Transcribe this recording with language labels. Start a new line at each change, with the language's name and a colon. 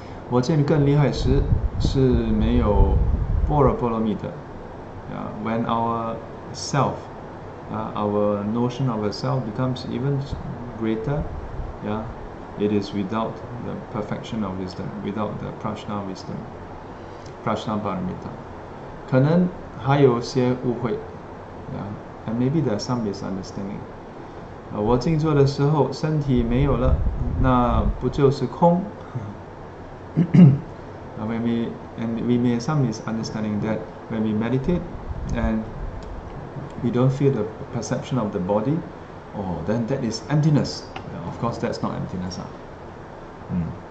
Chinese: 我见更厉害时是没有般若波罗蜜的,
English: yeah, when our self, our notion of a self becomes even greater, yeah, it is without the perfection of wisdom, without the prajna wisdom, prajna paramita.
Chinese: 可能还有些误会,
English: yeah, and maybe there are some misunderstanding.
Chinese: 我静坐的时候身体没有了, 那不就是空?
English: we may have some misunderstanding that when we meditate and we don't feel the perception of the body, oh, then that is emptiness. Yeah, of course, that's not emptiness. Huh? Mm.